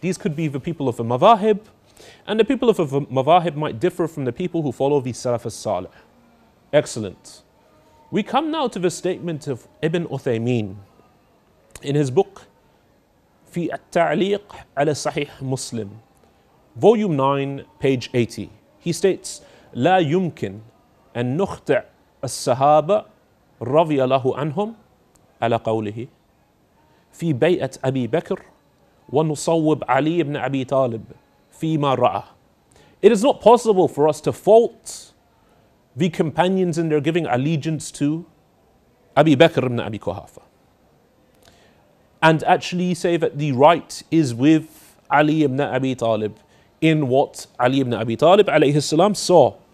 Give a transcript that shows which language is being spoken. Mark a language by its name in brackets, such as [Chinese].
[English] These could be the people of the Mawahib, and the people of the Mawahib might differ from the people who follow the Salaf al-Saleh. Excellent. We come now to the statement of Ibn Uthaymeen in his book Fi At-Ta'liq ala Sahih Muslim, volume 9, page 80. He states, [Arabic] لا يمكن أن نخطع الصحابة رضي الله عنهم على قوله في بيعة أبي بكر ونصوب علي بن أبي طالب فيما رأى. [English] It is not possible for us to fault the companions in their giving allegiance to Abi Bakr ibn Abi Quhafa. And actually say that the right is with Ali ibn Abi Talib in what Ali ibn Abi Talib alayhi salam saw.